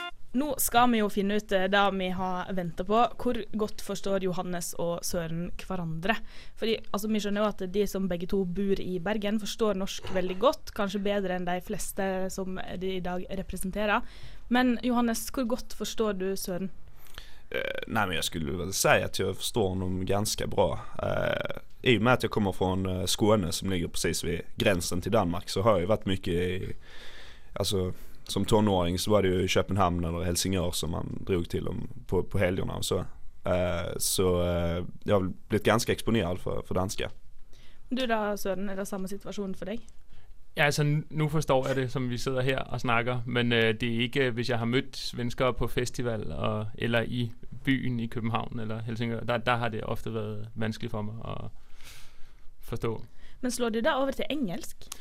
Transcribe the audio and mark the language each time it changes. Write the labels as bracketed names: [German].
[Norwegian] Nå skal vi jo finne ut det vi har ventet på. Hvor godt forstår Johannes og Søren hverandre? Fordi altså, vi skjønner jo at de som begge to bor i Bergen forstår norsk veldig godt. Kanskje bedre enn de fleste som de i dag representerer. Men Johannes, hvor godt forstår du Søren? [Swedish] Nej, men jag skulle väl säga att jag förstår honom ganska bra. I och med att jag kommer från Skåne som ligger precis vid gränsen till Danmark så har jag ju varit mycket i, alltså som tonåring så var det ju i Köpenhamn eller Helsingör som man drog till dem på helgerna och så. Jag har blivit ganska exponerad för danska. Du då Søren, är det samma situation för dig? [Danish] Ja, altså nu forstår jeg det, som vi sidder her og snakker, men det er ikke, hvis jeg har mødt svensker på festival og, eller i byen i København eller Helsingør, der har det ofte været vanskeligt for mig at forstå. [Norwegian] Men slår det der over til engelsk?